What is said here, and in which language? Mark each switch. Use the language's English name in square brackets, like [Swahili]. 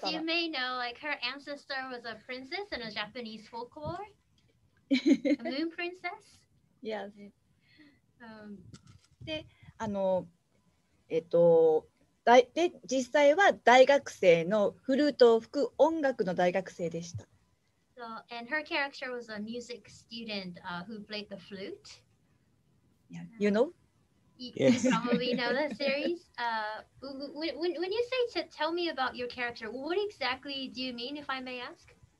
[English] as you may know, like her ancestor was a princess in a Japanese folklore, a moon princess. Yes. [Japanese] で、実際は大学生のフルートを吹く音楽の大学生でした。 [English] So, and her character was a music student, who played the flute. Yeah. You know? You probably know that series. When you say to tell me about your character, what exactly do you mean, if I may ask?